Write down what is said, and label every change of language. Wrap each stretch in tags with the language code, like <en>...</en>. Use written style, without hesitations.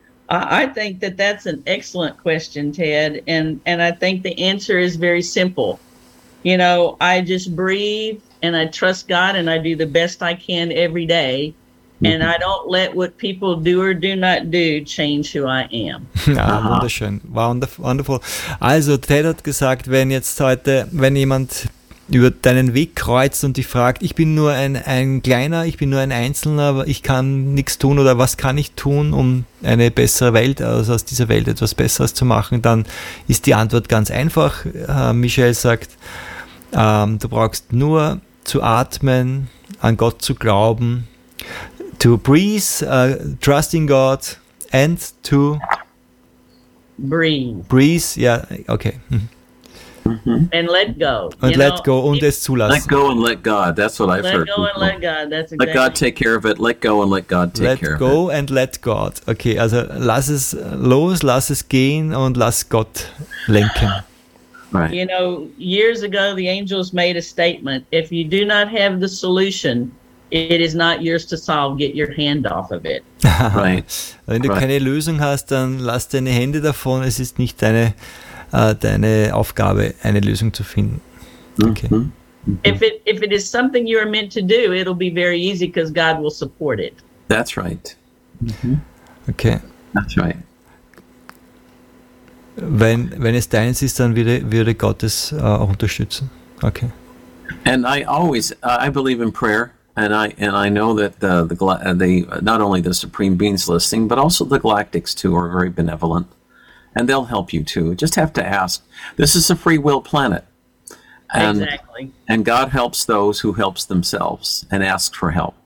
<en>I think that that's an excellent question, Ted, and I think the answer is very simple. You know, I just breathe and I trust God and I do the best I can every day, and I don't let what people do or do not do change who I am.</en> <de>Uh-huh. Wunderschön, wonderful. Also, Ted hat gesagt, wenn jetzt heute, wenn jemand über deinen Weg kreuzt und dich fragt, ich bin nur ein Kleiner, ich bin nur ein Einzelner, ich kann nichts tun oder was kann ich tun, um eine bessere Welt, also aus dieser Welt etwas Besseres zu machen, dann ist die Antwort ganz einfach. Michelle sagt, du brauchst nur zu atmen, an Gott zu glauben,</de> <en>to breathe, trust in God and to breathe. Breathe, ja, yeah, okay. Mm-hmm. And let go. And let go</en> <de>und es zulassen.</de> <en>Let go and let God. That's what I've heard. Let go and let God. That's exactly. Let God take care of it. Let go and let God take care of it. Let go and let God. Okay,</en> <de>also lass es los, lass es gehen und lass Gott lenken.</de> <en>Right. You know, years ago the angels made a statement, if you do not have the solution, it is not yours to solve. Get your hand off of it. Right.</en> <de>Wenn du keine Lösung hast, dann lass deine Hände davon. Es ist nicht deine Aufgabe, eine Lösung zu finden.</de> <en>Okay. If it is something you are meant to do, it'll be very easy because God will support it. That's right. Mm-hmm. Okay. That's right.</en> <de>Wenn es deins ist, dann würde Gott es auch unterstützen.</de> <en>Okay. And I always I believe in prayer. And I know that the not only the Supreme Beings listening, but also the Galactics too are very benevolent, and they'll help you too. Just have to ask. This is a free will planet, and, exactly. And God helps those who help themselves and ask for help.</en>